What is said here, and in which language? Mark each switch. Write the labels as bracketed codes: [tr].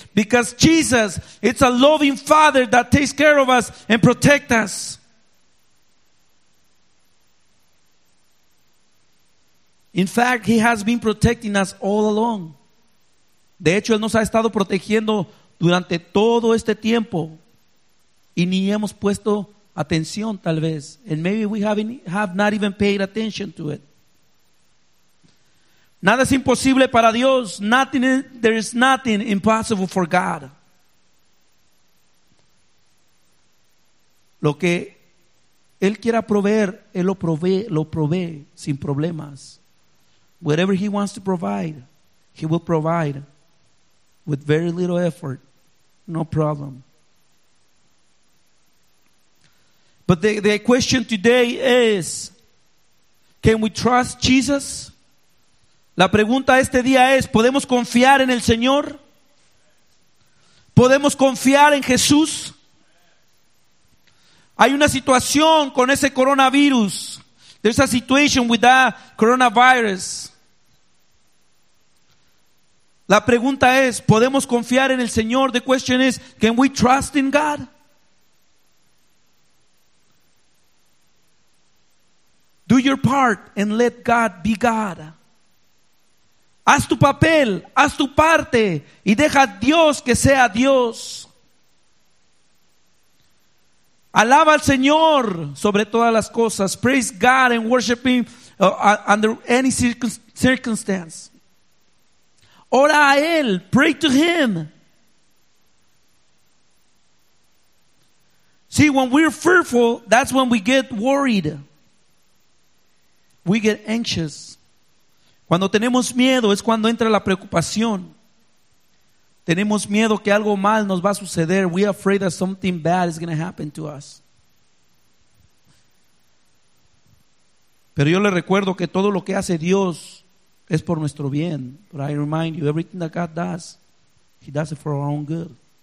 [en] Because Jesus is a loving father that takes care of us and protects us. In fact, He has been protecting us all along. [es] De hecho, Él nos ha estado protegiendo durante todo este tiempo. Y ni hemos puesto atención, tal vez. [en] And maybe we have not even paid attention to it. [es] Nada es imposible para Dios. [en] There is nothing impossible for God. [es] Lo que Él quiera proveer, Él lo provee sin problemas. [en] Whatever He wants to provide, He will provide with very little effort, no problem. But the question today is, can we trust Jesus? [es] La pregunta este día es, ¿podemos confiar en el Señor? ¿Podemos confiar en Jesús? Hay una situación con ese coronavirus. [en] There's a situation with that coronavirus. [es] La pregunta es, ¿podemos confiar en el Señor? [en] The question is, can we trust in God? your part and let God be God. [es] Haz tu papel, haz tu parte y deja a Dios que sea Dios. Alaba al Señor sobre todas las cosas. [en] Praise God and worship Him under any circumstance. [es] Ora a Él, [en] pray to Him. See, when we're fearful, that's when we get worried. We get anxious. [es] Cuando tenemos miedo es cuando entra la preocupación. Tenemos miedo que algo mal nos va a suceder. [en] We're afraid that something bad is going to happen to us. [es] Pero yo le recuerdo que todo lo que hace Dios es por nuestro bien. [en] But I remind you, everything that God does, He does it for our own good.